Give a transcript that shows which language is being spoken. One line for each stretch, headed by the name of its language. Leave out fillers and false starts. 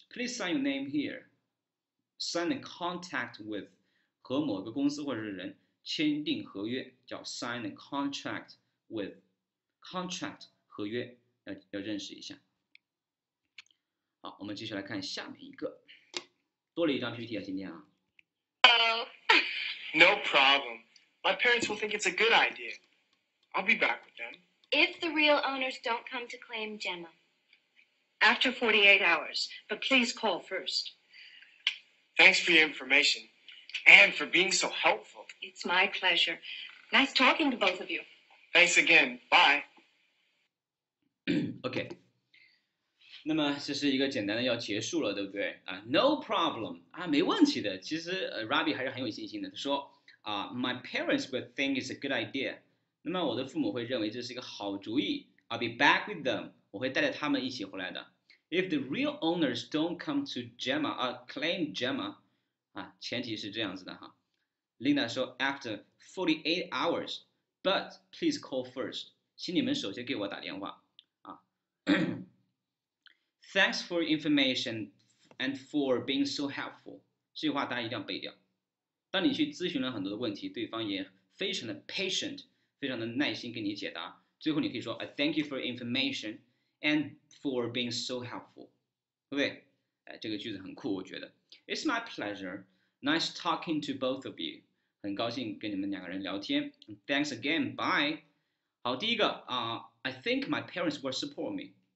English: Please sign your name here. Sign a contract with
Chinese: 和某个公司或者是人签订合约，叫
English: sign a contract with contract
Chinese: 合约，要认识一下。好，我们继续来看下面一个，多了一张 PPT 啊，今天啊。
English: No problem. My parents will think it's a good idea. I'll be back with them. If the real owners don't come to claim Gemma. After 48 hours, but please call first. Thanks for your information and for being so helpful. It's my pleasure. Nice talking to both of you. Thanks again. Bye. OK.
Chinese: 那么这是一个简单的要结束了，对不对？
English: No problem.
Chinese: 没问题的。其实Ravi 还是很有信心的。
English: 他说My parents will think it's a good idea.
Chinese: 那么我的父母会认为这是一个好主意。
English: I'll be back with them.
Chinese: 我会带着他们一起回来的。
English: If the real owners don't come to Gemma, claim Gemma,
Chinese: 前提是这样子的哈。
English: Linda 说 after 48 hours, but please call first.
Chinese: 请你们首先给我打电话。
English: Thanks for your information and for being so helpful.
Chinese: 这句话大家一定要背掉。当你去咨询了很多的问题，对方也非常的 patient, 非常的耐心给你解答。
English: 最后你可以说 I thank you for your information. And for being so helpful.
Chinese: 对不对？这个句子很酷，我觉得。
English: It's my pleasure. Nice talking to both of you.
Chinese: 很高兴跟你们两个人聊天。
English: Thanks again. Bye.
Chinese: 好，第一个
English: I think my parents will support me.